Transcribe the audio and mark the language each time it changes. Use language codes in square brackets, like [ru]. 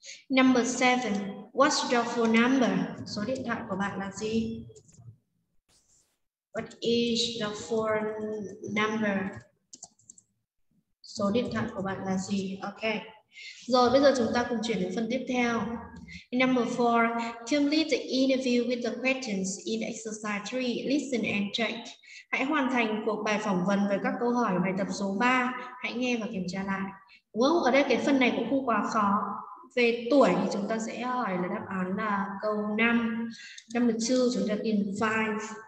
[en] Number 7. What's your phone number? [vi] Số điện thoại của bạn là gì? [en] What is the phone number? [vi] Số điện thoại của bạn là gì? Ok. Rồi bây giờ chúng ta cùng chuyển đến phần tiếp theo. [en] Number 4. Complete the interview with the questions in exercise 3. Listen and check. [vi] Hãy hoàn thành cuộc bài phỏng vấn với các câu hỏi bài tập số 3. Hãy nghe và kiểm tra lại. Đúng không? Ở đây cái phần này cũng không quá khó. Về tuổi thì chúng ta sẽ hỏi là đáp án là câu 5. Number 2 chúng ta tìm 5.